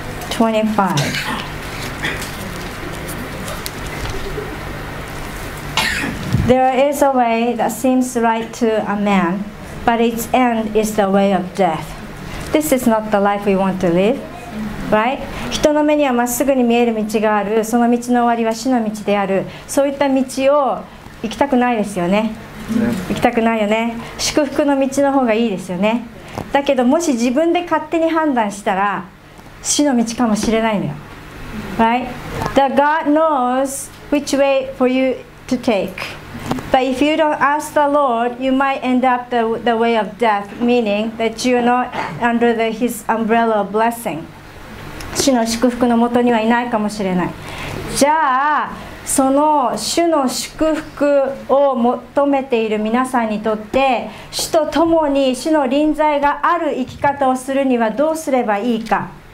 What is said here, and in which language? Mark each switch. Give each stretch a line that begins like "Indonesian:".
English: 16:25. There is a way that seems right to a man, but its end is the way of death. This is not the life we want to live, right?
Japanese: 人の目にはまっすぐに見える道がある。その道の終わりは死の道である。そういった道を行きたくないですよね。行きたくないよね。祝福の道の方がいいですよね。だけどもし自分で勝手に判断したら死の道かもしれないのよ。
English: Right? The God knows which way for youto take. But if you don't ask the Lord, you might end up the way of death, meaning that you're not under his umbrella of blessing.
Japanese: 主の祝福のもとにはいないかもしれない。じゃあその主の祝福を求めている皆さんにとって主と共に主の臨在がある生き方をするにはどうすればいいか。